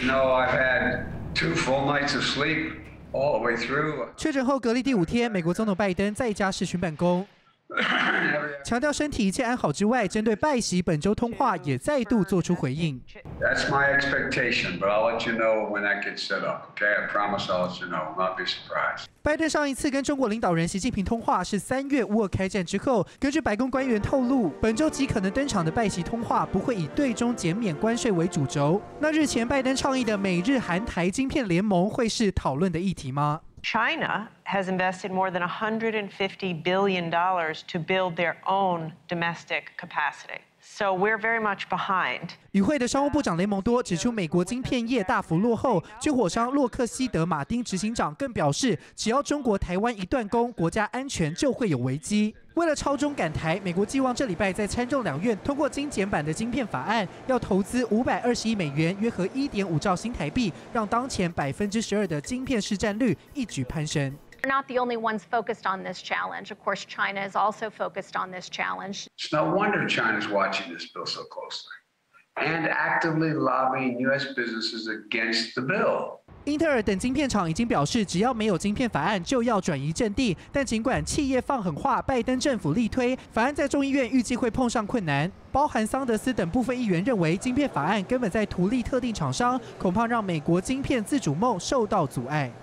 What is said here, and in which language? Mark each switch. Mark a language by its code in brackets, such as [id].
[en] You know, I've had 2 full nights of sleep all the way through. [zh] 确诊后隔离第五天，美国总统拜登在家视讯办公。强调身体一切安好之外，针对拜习本周通话也再度做出回应。 [en] That's my expectation, but I'll let you know when that gets set up. Okay, I promise I'll let you know. Not be surprised. [zh] 拜登上一次跟中国领导人习近平通话是3月乌俄开战之后。根据白宫官员透露，本周极可能登场的拜习通话不会以对中减免关税为主轴。那日前拜登倡议的美日韩台晶片联盟会是讨论的议题吗？ [en] China has invested more than $150 billion to build their own domestic capacity. So we're very much behind. [zh] 与会的商务部长雷蒙多指出，美国晶片业大幅落后。军火商洛克希德马丁执行长更表示，只要中国台湾一断供，国家安全就会有危机。为了超中赶台，美国寄望这礼拜在参众两院通过精简版的晶片法案，要投资520亿美元，约合1.5兆新台币，让当前12%的晶片市占率一举攀升。 [en] We're not the only ones focused on this challenge. Of course, China is also focused on this challenge. It's no wonder China's watching this bill so closely and actively lobbying U.S. businesses against the bill. [zh] 英特尔等晶片厂已经表示，只要没有晶片法案，就要转移阵地。但尽管企业放狠话，拜登政府力推法案，在众议院预计会碰上困难。包含桑德斯等部分议员认为，晶片法案根本在图利特定厂商，恐怕让美国晶片自主梦受到阻碍。